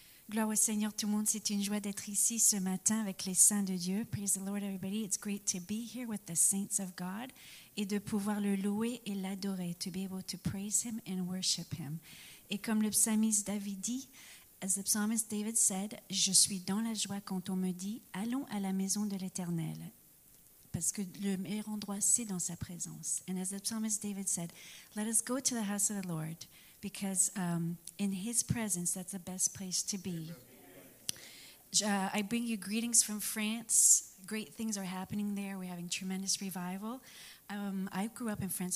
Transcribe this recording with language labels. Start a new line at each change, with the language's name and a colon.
French: Gloire au Seigneur tout le monde, c'est une joie d'être ici ce matin avec les saints de Dieu.
English: Praise the Lord everybody, it's great to be here with the saints of God
French: et de pouvoir le louer et l'adorer,
English: to be able to praise him and worship him.
French: Et comme le psalmiste David dit,
English: as the psalmist David said,
French: je suis dans la joie quand on me dit, allons à la maison de l'Éternel. Parce que le meilleur endroit c'est dans sa présence.
English: And as the psalmist David said, let us go to the house of the Lord. Because in his presence, that's the best place to be. I bring you greetings from France. Great things are happening there. We're having tremendous revival. I grew up in France.